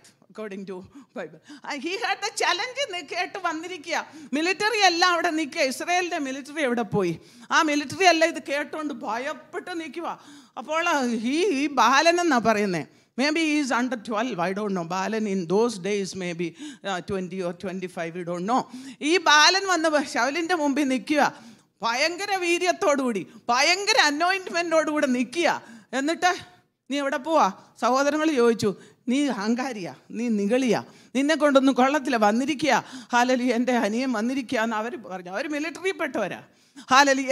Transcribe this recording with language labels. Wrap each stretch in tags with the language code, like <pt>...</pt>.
<en>According to Bible he heard the challenge.</en> <ml>കേട്ട് വന്നിരിക്കുക, military എല്ലാം അവിടെ നിൽക്കുക, ഇസ്രയേലിൻ്റെ മിലിറ്ററി എവിടെ പോയി? ആ മിലിറ്ററി എല്ലാം ഇത് കേട്ടുകൊണ്ട് ഭയപ്പെട്ട് നിൽക്കുക. അപ്പോൾ ഈ ബാലൻ എന്നാണ് പറയുന്നത്.</ml> <en>Maybe he is under 12, I don't know. Balan in those days, maybe 20 or 25, we don't know.</en> <ml>ഈ ബാലൻ വന്ന് ശൗലിൻ്റെ മുമ്പിൽ നിൽക്കുക, ഭയങ്കര വീര്യത്തോടുകൂടി ഭയങ്കര അനോയിൻമെൻറ്റോടുകൂടെ നിൽക്കുക. എന്നിട്ട് നീ എവിടെ പോവാ? സഹോദരങ്ങൾ ചോദിച്ചു, നീ അഹങ്കാരിയാ, നീ നിഗളിയാ, നിന്നെ കൊണ്ടൊന്നും കൊള്ളത്തില്ല, വന്നിരിക്കുക. ഹല്ലേലൂയ, എൻ്റെ അനിയൻ വന്നിരിക്കുക എന്ന് അവർ പറഞ്ഞു. അവർ മിലിറ്ററിയിൽ പെട്ടവരാ. ഹല്ലേലൂയ.</ml>